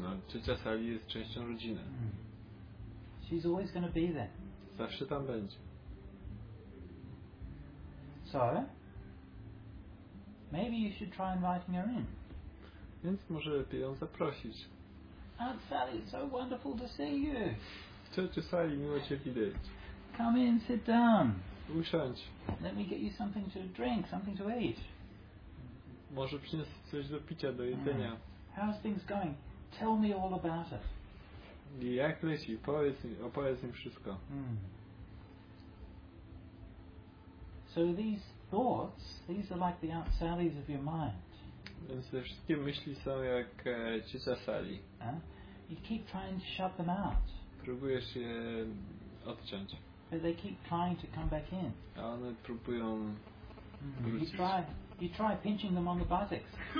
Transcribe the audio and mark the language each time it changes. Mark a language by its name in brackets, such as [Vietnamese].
[Polish] No, ciocia Sally jest częścią rodziny. [English] She's always gonna be there. [Polish] Zawsze tam będzie. [English] So, maybe you should try inviting her in. [Polish] Więc może lepiej ją zaprosić. [English] Aunt Sally, it's so wonderful to see you. [Polish] Ciocia Sally, miło cię widzieć. [English] Come in, sit down. [Polish] Usiądź. [English] Let me get you something to drink, something to eat. [Polish] Może przyniosę coś do picia, do jedzenia. [English] How's things going? Tell me all about it. [Polish] I jak leci? Opowiedz mi wszystko. [English] So these thoughts, these are like the outsalis of your mind. [Polish] Więc te wszystkie myśli są jak ci zasali. [English] You keep trying to shut them out. [Polish] Próbujesz je odciąć. [English] But they keep trying to come back in. [Polish] A one próbują wrócić. [English] You try pinching them on the buttocks.